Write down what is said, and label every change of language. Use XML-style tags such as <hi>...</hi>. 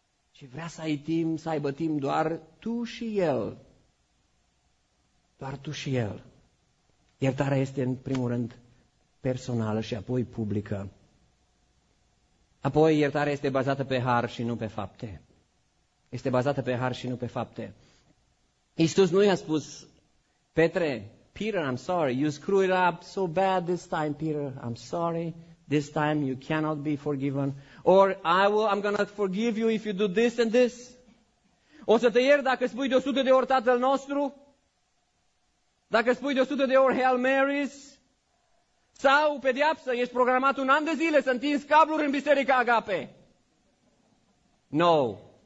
<ro>Și vrea să ai timp, să aibă timp doar tu și El. Doar tu și El. Iertarea este în primul rând personală și apoi publică. Apoi, iertarea este bazată pe har și nu pe fapte. Este bazată pe har și nu pe fapte. Iisus nu i-a spus,</ro> <en>Petre, Peter, I'm sorry, you screw it up so bad this time, Peter, I'm sorry, this time you cannot be forgiven. Or, I'm gonna forgive you if you do this and this.</en> <ro>O să te iert dacă spui de 100 de ori Tatăl nostru? Dacă spui de 100 de ori Hail Marys? Sau, pediapsă, ești programat un an de zile să întinzi cabluri în Biserica Agape? No.</ro>